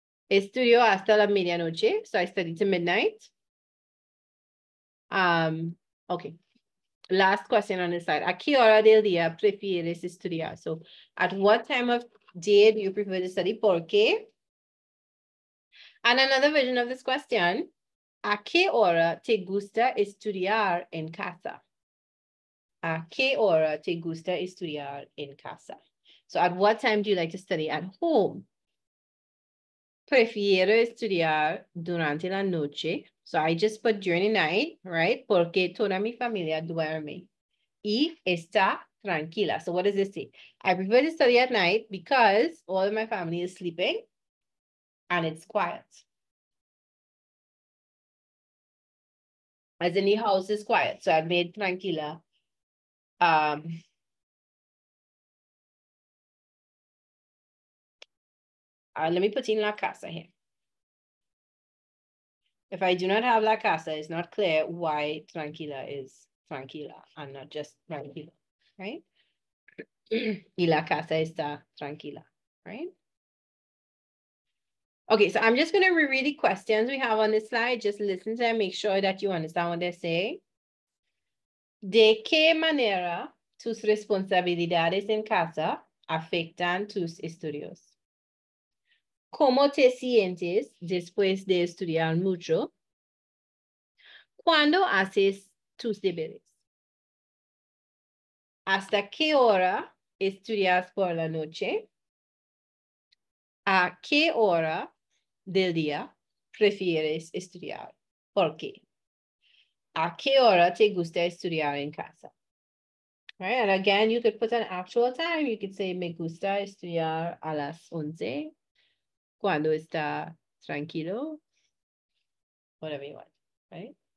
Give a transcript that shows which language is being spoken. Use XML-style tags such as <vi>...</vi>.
<es>Estudio hasta la medianoche.</es> <en>So I study to midnight. Okay. Last question on this side.</en> <es>¿A qué hora del día prefieres estudiar?</es> <en>So, at what time of day do you prefer to study?</en> <es>¿Por qué?</es> <en>And another version of this question.</en> <es>¿A qué hora te gusta estudiar en casa? ¿A qué hora te gusta estudiar en casa?</es> <en>So, at what time do you like to study at home?</en> <es>Prefiero estudiar durante la noche.</es> <en>So I just put during the night, right?</en> <es>Porque toda mi familia duerme y está tranquila.</es> <en>So what does this say? I prefer to study at night because all of my family is sleeping and it's quiet. As in the house is quiet. So I've made tranquila. Let me put in la casa here. If I do not have la casa, it's not clear why tranquila is tranquila and not just tranquila, right?</en> <es>Y la casa está tranquila,</es> <en>right? Okay, so I'm just going to reread the questions we have on this slide. Just listen to them, make sure that you understand what they say.</en> <es>¿De qué manera tus responsabilidades en casa afectan tus estudios? ¿Cómo te sientes después de estudiar mucho? ¿Cuándo haces tus deberes? ¿Hasta qué hora estudias por la noche? ¿A qué hora del día prefieres estudiar? ¿Por qué? ¿A qué hora te gusta estudiar en casa?</es> <en>All right, and again, you could put an actual time. You could say,</en> <es>me gusta estudiar a las 11. Cuando está</es> <en>tranquilo, whatever you want, right?</en>